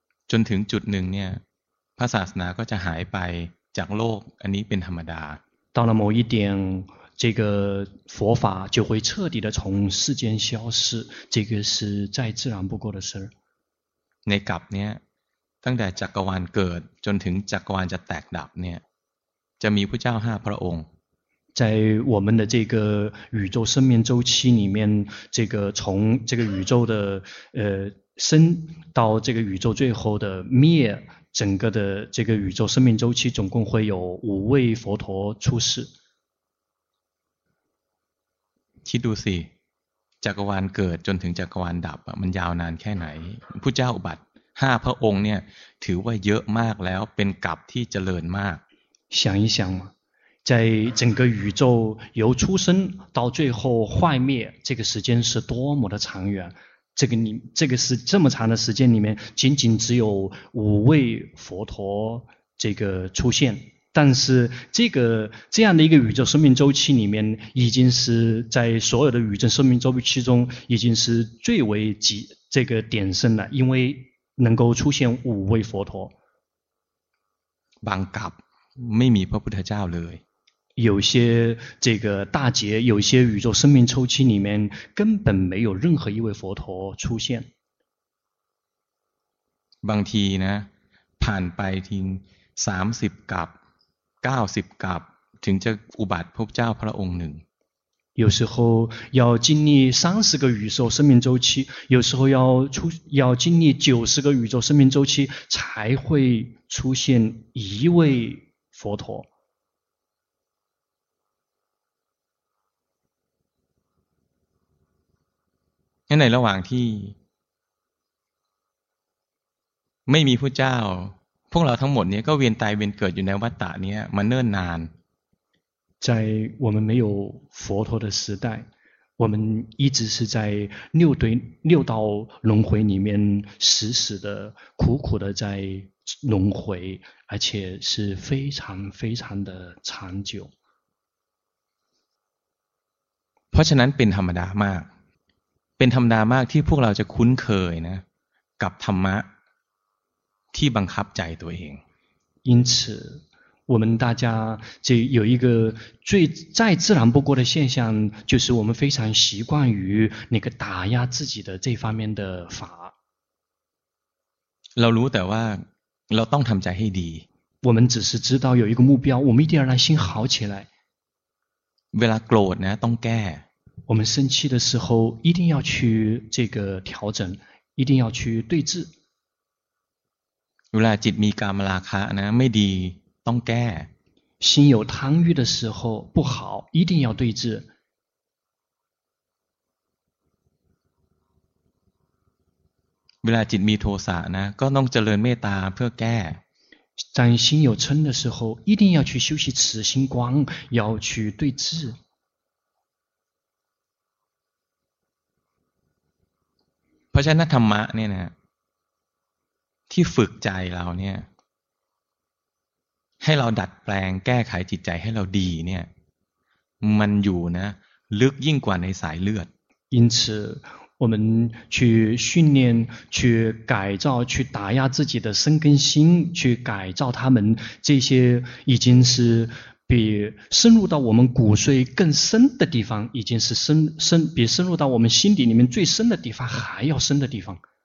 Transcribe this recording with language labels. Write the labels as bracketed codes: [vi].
[th] จนถึงจุดหนึ่งเนี่ยพระศาสนาก็จะหายไปจากโลกอันนี้เป็นธรรมดา [zh] 到了某一点这个佛法就会彻底的从世间消失这个是再自然不过的事 [th] ในกลับเนี่ยตั้งแต่จักรวาลเกิดจนถึงจักรวาลจะแตกดับเนี่ยจะมีพระเจ้าห้าพระองค์ [zh] 在我们的这个宇宙生命周期里面这个从这个宇宙的生到这个宇宙最后的灭整个的这个宇宙生命周期总共会有五位佛陀出世 [th] คิดดูสิจักรวาลเกิดจนถึงจักรวาลดับมันยาวนานแค่ไหนพุทธเจ้าอุบัติ 5พระองค์เนี่ยถือว่าเยอะมากแล้วเป็นกัปที่เจริญมาก [zh] 想一想嘛在整个宇宙由出生到最后坏灭这个时间是多么的长远这个你这个是这么长的时间里面仅仅只有五位佛陀这个出现但是这个这样的一个宇宙生命周期里面已经是在所有的宇宙生命周期中已经是最为极这个点生了因为能够出现五位佛陀 [th] บางกับไม่มีพระพุทธเจ้าเลย [zh] 有些这个大劫有些宇宙生命周期里面根本没有任何一位佛陀出现 [th] บางทีนะผ่านไปถึง30กับ90กับถึงจะอุบัติพระเจ้าพระองค์หนึ่ง [zh] 有时候要经历30个宇宙生命周期有时候要经历90个宇宙生命周期才会出现一位佛陀 [th] ในระหว่างที่ไม่มีพระเจ้าพวกเราทั้งหมดเนี่ยก็เวียนตายเวียนเกิดอยู่ในวัฏฏะเนี่ยมาเนิ่นนาน [zh] 在我们没有佛陀的时代我们一直是在六道轮回里面死死的苦苦的在轮回而且是非常非常的长久 [th] เพราะฉะนั้นเป็นธรรมดามากเป็นธรรมดามากที่พวกเราจะคุ้นเคยนะกับธรรมะที่บังคับใจตัวเอง [zh] 因此我们大家这有一个最再自然不过的现象就是我们非常习惯于那个打压自己的这方面的法 [th] เรารู้แต่ว่าเราต้องทำใจให้ดี [zh] 我们只是知道有一个目标我们一定要让心好起来 [th] เวลาโกรธนะต้องแก้ [zh] 我们生气的时候一定要去这个调整一定要去对治 [th] เวลาจิตมีกามราคะนะไม่ดีต้องแก้ [zh] 心有贪欲的时候不好一定要对治 [th] เวลาจิตมีโทสะนะก็ต้องเจริญเมตตาเพื่อแก้ [zh] 当心有嗔的时候一定要去修习慈心光要去对治 [th] เพราะฉะนั้นธรรมะเนี่ยนะที่ฝึกใจเราเนี่ยให้เราดัดแปลงแก้ไขจิตใจให้เราดีเนี่ยมันอยู่นะลึกยิ่งกว่าในสายเลือด [zh] 因此我们去训练去改造去打压自己的生根心去改造他们这些已经是比深入到我们骨髓更深的地方已经是深比深入到我们心底里面最深的地方还要深的地方